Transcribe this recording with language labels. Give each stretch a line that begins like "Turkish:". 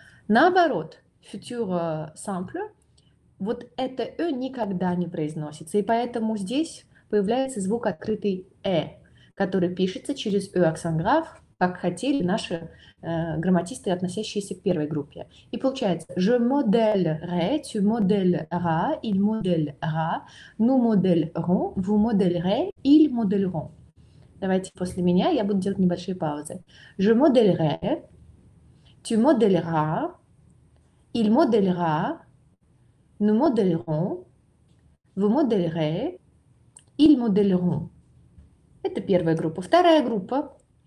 Russian: Наоборот, futur simple, вот это «э» никогда не произносится, и поэтому здесь появляется звук открытый «э», который пишется через «ю аксан граф», как хотели наши грамматисты, относящиеся к первой группе. И получается
French: «je modèlerai», «tu modèleras», «il modèlera», «nous modèlerons», «vous modèlerez», «il modèleront».
Russian: Давайте после меня, я буду делать небольшие паузы.
French: «Je modèlerai», «tu modèleras», «il modèlera», «nous modèlerons», «vous modèlerez», «il modèleront».
Russian: Это первая группа. Вторая группа.